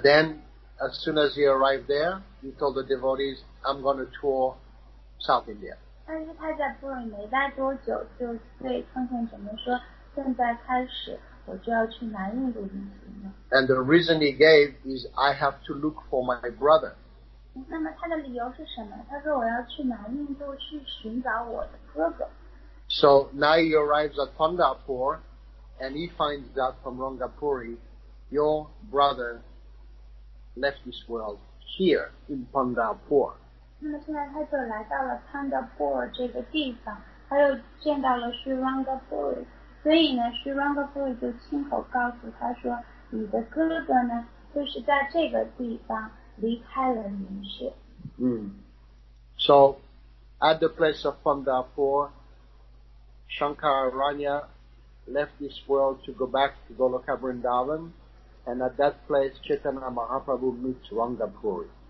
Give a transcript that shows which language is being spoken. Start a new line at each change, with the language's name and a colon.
English: then, as soon as he arrived there, he told the devotees, "I'm going to tour South India."
Chinese: 但是他在Puri没待多久，就对奉献者们说：“现在开始，我就要去南印度旅行了。”
English: And the reason he gave is, "I have to look for my brother."
Chinese: 那么他的理由是什么？他说我要去南印度去寻找我的哥哥。
English: So now he arrives at Pandharpur, and he finds out from Rangapuri, your brother left this world here in Pandharpur.
Chinese: 那么现在他就来到了Pandharpur这个地方，他又见到了Sri Rangapuri，所以呢，Sri Rangapuri就亲口告诉他说，你的哥哥呢？就是在这个地方离开了凝视。
English: So, at the place of Pandharpur, Shankararanya left this world to go back to Goloka Vrindavan, and at that place, Chaitanya Mahaprabhu meets Ranga Puri.